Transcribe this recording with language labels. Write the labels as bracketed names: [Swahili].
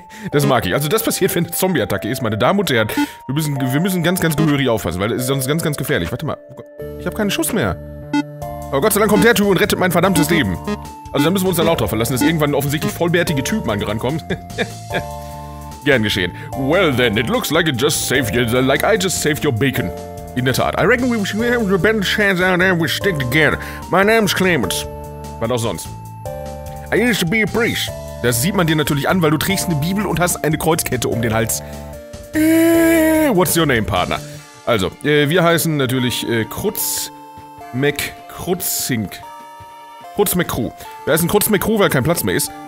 [German] Das mag ich. Also das passiert, wenn eine Zombie-Attacke ist, meine Damen und Herren. Wir müssen ganz, ganz gehörig aufpassen, weil das ist sonst ganz, ganz gefährlich. Warte mal. Ich habe keinen Schuss mehr. Aber Gott sei Dank kommt der Typ und rettet mein verdammtes Leben. Also da müssen wir uns dann auch drauf verlassen, dass irgendwann ein offensichtlich vollbärtige Typ mal rankommt. Gern geschehen. [English] Well then, it looks like it just saved you, like I just saved your bacon. [German] In der Tat. [English] I reckon we should have a better chance out there, we stick together. My name's Clemens. [German] Was auch sonst. [English] I used to be a priest. [German] Das sieht man dir natürlich an, weil du trägst eine Bibel und hast eine Kreuzkette um den Hals. [English] What's your name, Partner? [German] Also, wir heißen natürlich Krutz McCrew. Wer ist ein Krutz McCrew, weil kein Platz mehr ist?